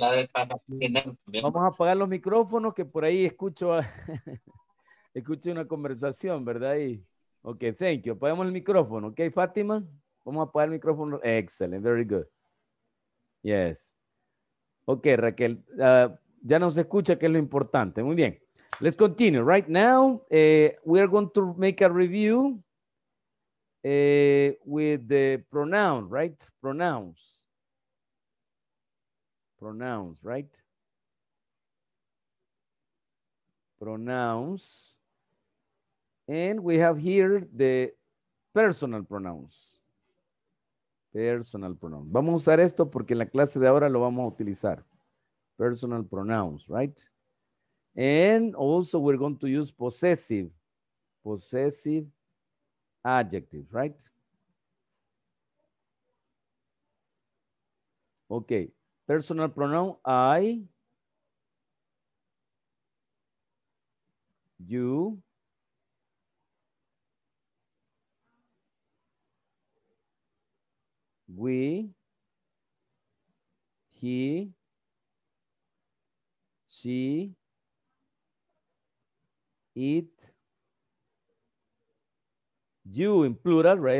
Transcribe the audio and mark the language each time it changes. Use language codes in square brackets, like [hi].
[es] Vamos a apagar los micrófonos que por ahí escucho escucho una conversación, ¿verdad? Y, okay, [en] thank you. [es] Apagamos el micrófono, okay, Fátima. Vamos a apagar el micrófono. [en] Excellent, very good. Yes. [es] Ok, Raquel, ya nos escucha, que es lo importante. Muy bien. [en] Let's continue. Right now, we are going to make a review with the pronoun, right? Pronouns. And we have here the personal pronouns. Personal pronouns. [es] Vamos a usar esto porque en la clase de ahora lo vamos a utilizar. [en] Personal pronouns, right? And also we're going to use possessive adjectives, right? Okay. Personal pronoun, I, you, we, he, she, it, you in plural, right?